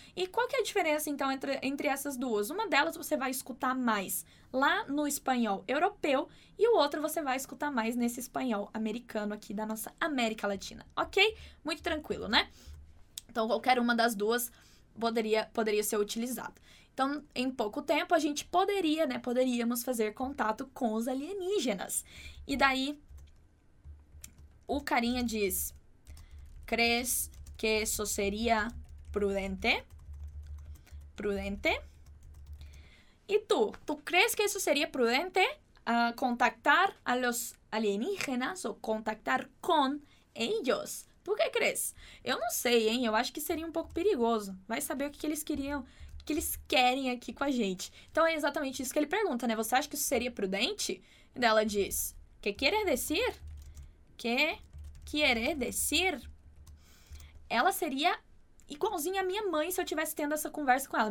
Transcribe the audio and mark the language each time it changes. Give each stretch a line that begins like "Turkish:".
Portuguese: E qual que é a diferença, então, entre essas duas? Uma delas você vai escutar mais lá no espanhol europeu e o outro você vai escutar mais nesse espanhol americano aqui da nossa América Latina, ok? Muito tranquilo, né? Então, qualquer uma das duas poderia ser utilizada. Então, em pouco tempo, a gente poderia, né? Poderíamos fazer contato com os alienígenas. E daí, o carinha diz, ¿crees que eso sería prudente? Prudente. E tu?
Spanish: Tu crees que eso sería prudente contactar a los alienígenas ou contactar con ellos?
Portuguese: Tu que crees? Eu não sei, hein? Eu acho que seria um pouco perigoso. Vai saber o que eles queriam... que eles querem aqui com a gente. Então, é exatamente isso que ele pergunta, né? Você acha que isso seria prudente? E ela diz, que quiere decir? Que quiere decir? Ela seria igualzinha a minha mãe se eu tivesse tendo essa conversa com ela.